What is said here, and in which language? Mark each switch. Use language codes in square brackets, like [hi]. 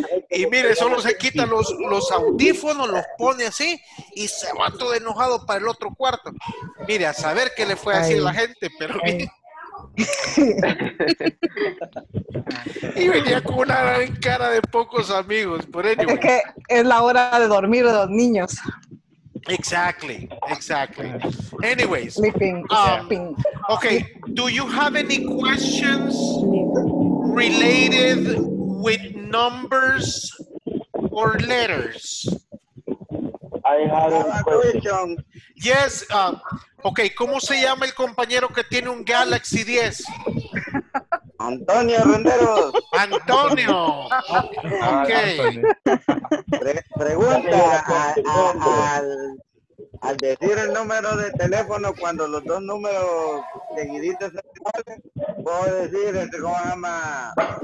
[es] Y mire, solo se quita los audífonos, los pone así y se va todo enojado para el otro cuarto. Mire, a saber qué le fue a decir la gente, pero mire. Y venía con una gran cara de pocos amigos, por anyway. Es que es la hora de dormir de los niños. [en] Exactly. Anyways, sleeping. Sleeping. Okay, do you have any questions related with numbers or letters? I have a question. [es] Yes, ok, ¿cómo se llama el compañero que tiene un Galaxy 10? Antonio Renderos. Antonio. Ok. Pregunta al decir el número de teléfono, cuando los dos números seguiditos son iguales, puedo decir, ¿cómo se llama?